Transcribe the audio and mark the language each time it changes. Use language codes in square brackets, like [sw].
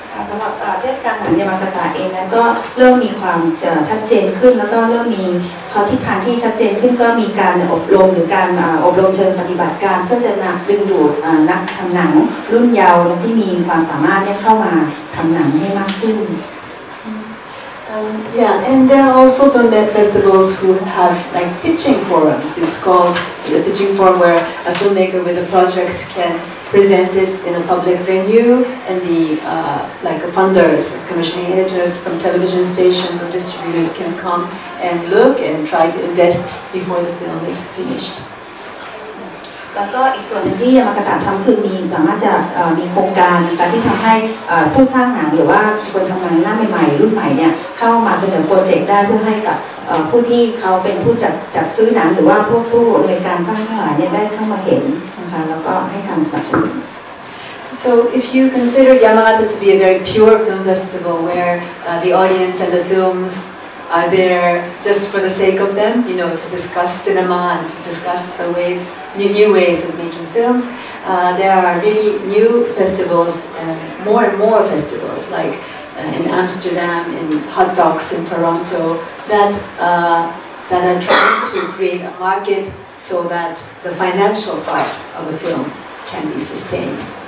[th] สำหรับเทศกาลหนังยามากาตะเองนั้นก็เริ่มมีความชัดเจนขึ้นแล้วก็เริ่มมีทิศทางที่ชัดเจนขึ้นก็มีการอบรมหรือการอบรมเชิงปฏิบัติการเพื่อจะนำดึงดูดนักทำหนังรุ่นเยาว์ที่มีความสามารถเข้ามาทำหนังให้มากขึ้น [en] Yeah, and there are also the festivals who have like pitching forums. It's called the pitching forum where a filmmaker with a project can present it in a public venue, and the like funders, commissioning editors from television stations or distributors can come and look and try to invest before the film is finished. [th] แล้วก็อีกส่วนนึงที่ยามากตะทำคือมีสามารถจะมีโครงการการที่ทำให้ผู้สร้างหนังหรือว่าคนทำงานหน้าใหม่ๆรุ่นใหม่เนี่ยเข้ามาเสนอโปรเจกต์ได้เพื่อให้กับผู้ที่เขาเป็นผู้จัดซื้อหนังหรือว่าพวกผู้ในการสร้างทั้งหลายเนี่ยได้เข้ามาเห็นนะคะแล้วก็ให้การสนับสนุน [en] So if you consider Yamagata to be a very pure film festival where the audience and the filmsare there just for the sake of them, you know, to discuss cinema and to discuss the ways, new ways of making films. There are really new festivals, more and more festivals, like in Amsterdam, in Hot Docs in Toronto, that are trying to create a market so that the financial part of a film can be sustained.